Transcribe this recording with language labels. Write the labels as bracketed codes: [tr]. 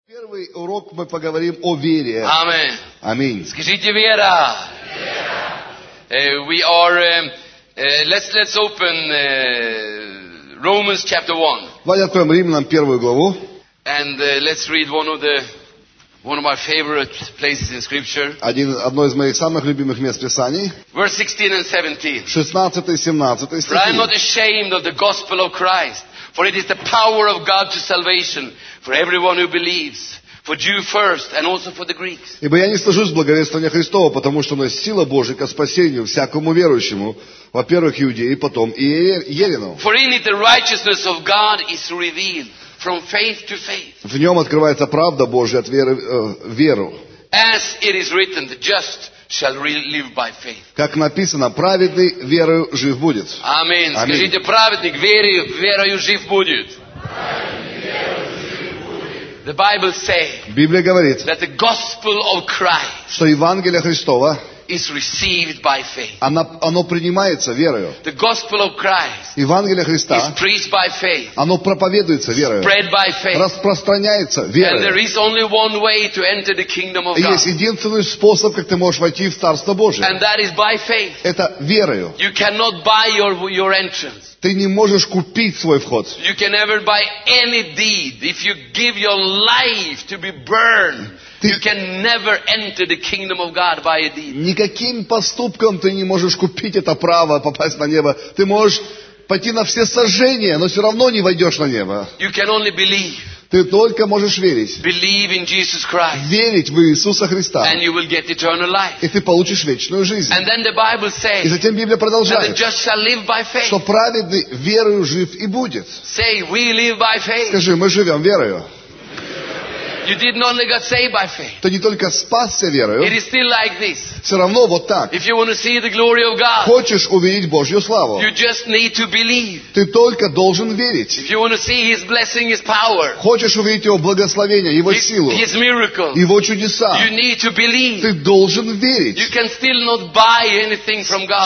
[ru] Первый урок мы поговорим о вере. Аминь. Аминь. Скажите вера. [en] We are let's open Romans chapter 1. [ru] Давайте откроем Римлянам первую главу. [en] And let's read one of my favorite places in scripture. [ru] Одно из моих самых любимых мест Писаний. [en] Verse 16 and 17. [ru] 16 и 17 стихи. [en] For I am not ashamed of the gospel of Christ, for it is the power of God to salvation for everyone who believes. For Jew first, and also for the Greeks. [ru] Ибо я не стыжусь благовествования Христова, потому что оно сила Божия ко спасению всякому верующему, во-первых, иудею, потом и еллину. [en] For in it the righteousness of God is revealed from faith to faith. [ru] В нем открывается правда Божия от веры в веру. [en] As it is written, the just shall live by faith. [ru] Как написано, праведный верою жив будет. Аминь. Скажите, праведник верою жив будет. [en] The Bible says, [ru] Библия говорит, [en] that the gospel of Christ, [ru] что Евангелие Христово, [en] is received by faith. [ru] Оно принимается верою. [en] The gospel of Christ, [ru] Евангелие Христа, [en] is preached by faith. [ru] Оно проповедуется верою. [en] Spread by faith. [ru] Распространяется верою. [en] And there is only one way to enter the kingdom of God. [ru] Есть единственный способ, как ты можешь войти в Царство Божие. [en] And that is by faith. [ru] Это верою. [en] You cannot buy your entrance. [ru] Ты не можешь купить свой вход. [en] You can never buy any deed. If you give your life to be burned, you can never enter the kingdom of God by a deed. [ru] Никаким поступком ты не можешь купить это право попасть на небо. Ты можешь пойти на все сожжения, но все равно не войдешь на небо. [en] You can only believe. [ru] Ты только можешь верить. [en] Believe in Jesus Christ. [ru] Верить в Иисуса Христа. [en] And you will get eternal life. [ru] И ты получишь вечную жизнь. [en] And then the Bible says, [ru] и затем Библия продолжает, [en] that the just shall live by faith. [ru] Что праведный верою жив и будет. [en] Say, we live by faith. [ru] Скажи, мы живем верою. [en] You didn't only got saved by faith. [ru] Ты не только спасся верою. [en] It is still like this. [ru] Все равно вот так. [en] If you want to see the glory of God, [ru] хочешь увидеть Божью славу, [en] you just need to believe. [ru] Ты только должен верить. [en] If you want to see His blessing, His power, [ru] хочешь увидеть Его благословение, Его силу, [en] His miracle, [ru] Его чудеса, [en] you need to believe. [ru] Ты должен верить. [en] You can still not buy anything from God.